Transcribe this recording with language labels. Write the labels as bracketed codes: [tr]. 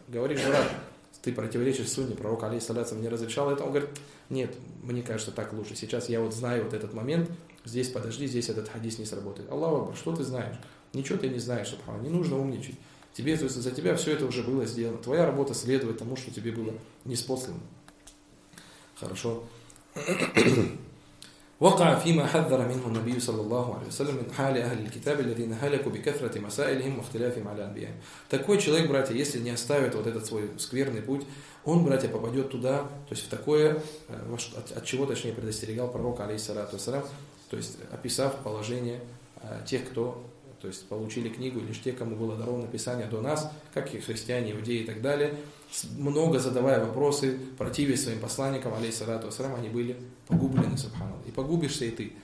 [ru] Говорит, брат, ты противоречишь сунне, пророк, алейхиссалату мне разрешал это. Он говорит, нет, мне кажется, так лучше. Сейчас я вот знаю вот этот момент. Здесь подожди, здесь этот хадис не сработает. Аллаху Акбар, что ты знаешь? Ничего ты не знаешь, субхана, не нужно умничать. Тебе, то есть за тебя все это уже было сделано. Твоя работа следует тому, что тебе было неспослано. Хорошо. [ar] وقع فيما حذر منه النبي صلى الله عليه وسلم من حال أهل الكتاب الذين هلكوا بكثرة مسائلهم واختلافهم على الأنبياء. [ru] Такой человек, братья, если не оставит вот этот свой скверный путь, он, братья, попадет туда, то есть в такое, от чего, точнее, предостерегал пророк, алейхиссалату вассалям, то есть описав положение тех, кто, то есть получили книгу, лишь те, кому было даровано писание до нас, как и христиане, иудеи и так далее, много задавая вопросы, противясь своим посланникам, алейхиссалату вассалям, они были погублены, субханал. И погубишься и ты.